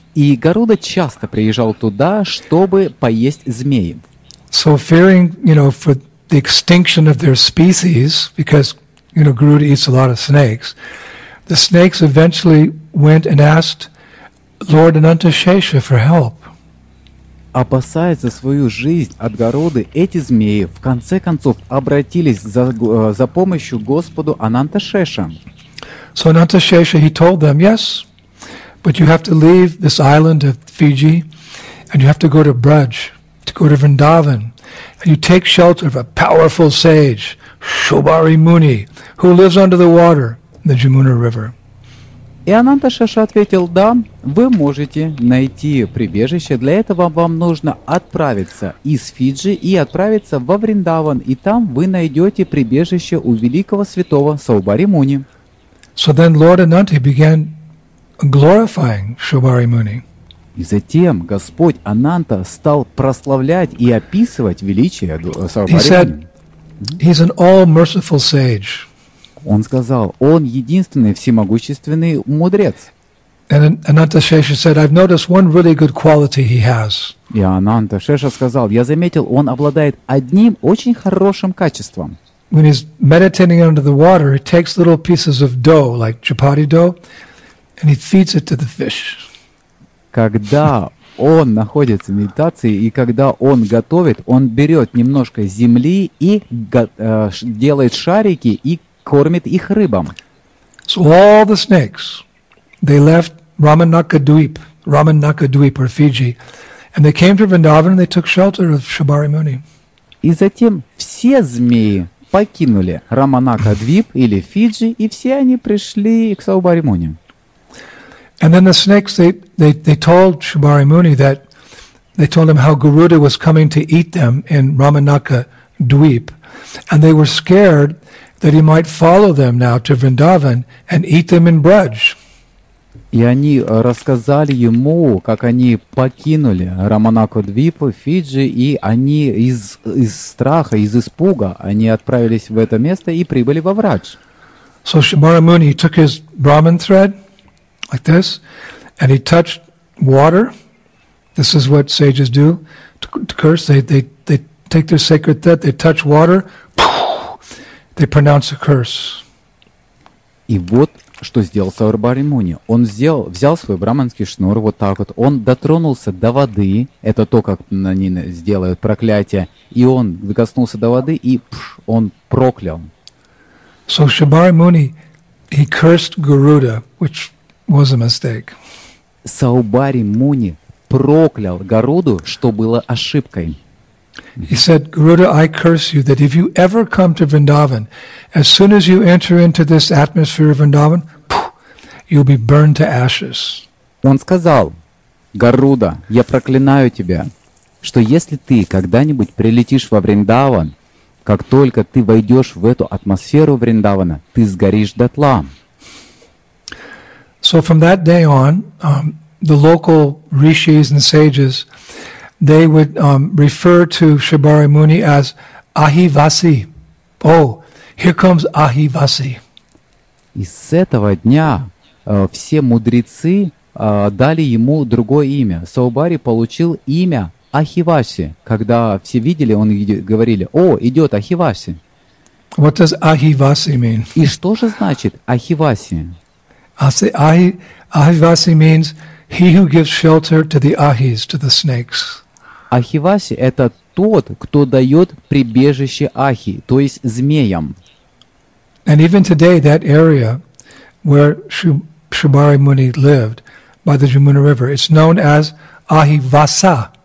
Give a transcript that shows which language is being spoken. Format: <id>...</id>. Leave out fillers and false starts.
<ru>И Гаруда часто приезжал туда, чтобы поесть змей.</ru> <en>So fearing, you know, for the extinction of their species, because, you know, Garuda eats a lot of snakes, the snakes eventually went and asked Lord Anantashesha for help.</en> <ru>Опасаясь за свою жизнь от Гаруды, эти змеи в конце концов обратились за помощью Господу Ананташеша.</ru> <en>So Anantashesha, he told them, yes, but you have to leave this island of Fiji, and you have to go to Braj, to go to Vrindavan, and you take shelter of a powerful sage, Shobari Muni, who lives under the water in the Jamuna River.</en> <ru>И Ананташеша ответил, да, вы можете найти прибежище, для этого вам нужно отправиться из Фиджи и отправиться во Вриндаван, и там вы найдете прибежище у великого святого Шобари Муни.</ru> <en>So then Lord Ananta began glorifying Shobari Muni.</en> <ru>И затем Господь Ананта стал прославлять и описывать величие Шобари Муни.</ru> <en>He said, he's an all-merciful sage.</en> <ru>Он сказал, он единственный всемогущественный мудрец.</ru> <en>And Anantashesha said, I've noticed one really good quality he has.</en> <ru>И Ананташеша сказал, я заметил, он обладает одним очень хорошим качеством.</ru> <en>When he's meditating under the water, he takes little pieces of dough, like chapati dough, and he feeds it to the fish.</en> <ru>Когда он находится в медитации, и когда он готовит, он берет немножко земли и делает шарики и кормит их рыбам.</ru> <en>So all the snakes, they left Ramanakadweep or Fiji, and they came to Vrindavan and they took shelter of Shobari Muni.</en> <ru>И затем все змеи покинули Раманакадвип или Фиджи, и все они пришли к Шобари Муни.</ru> <en>And then the snakes they told Shobari Muni that they told him how Garuda was coming to eat them in Ramanakadweep, and they were scared that he might follow them now to Vrindavan and eat them in Braj.</en> <ru>И они рассказали ему, как они покинули Раманакадвипу, Фиджи, и они из страха, из испуга, они отправились в это место и прибыли во Врадж.</ru> <en>So Shobari Muni took his Brahman thread, like this, and he touched water. This is what sages do to curse. They take their sacred thread, they touch water, they pronounce a curse.</en> <ru>И вот что сделал Шобари Муни. Он взял свой браманский шнур вот так вот, он дотронулся до воды, это то, как они сделают проклятие, и он коснулся до воды, и он проклял.</ru> <en>So Shobari Muni, he cursed Garuda, which was a mistake.</en> <ru>Шобари Муни проклял Гаруду, что было ошибкой.</ru> <en>He said, Garuda, I curse you that if you ever come to Vrindavan, as soon as you enter into this atmosphere of Vrindavan, you'll be burned to ashes.</en> <ru>Он сказал, Гаруда, я проклинаю тебя, что если ты когда-нибудь прилетишь во Вриндаван, как только ты войдешь в эту атмосферу Вриндавана, ты сгоришь дотла.</ru> <en>So from that day on, the local rishis and sages, they would refer to Shobari Muni as Ahivasi. Oh, here comes Ahivasi.</en> <ru>И с этого дня все мудрецы дали ему другое имя. Шобари получил имя Ахиваси. Когда все видели, он говорили, о, идет Ахиваси.</ru> <en>What does Ahivasi mean?</en> <ru>И что же значит Ахиваси?</ru> <en>Ahivasi means he who gives shelter to the Ahis, to the snakes.</en> <ru>Ахиваси – это тот, кто дает прибежище Ахи, то есть змеям.</ru> <en>And even today, that area where Shobari Muni lived by the Jamuna River, it's known as Ahivasa.</en>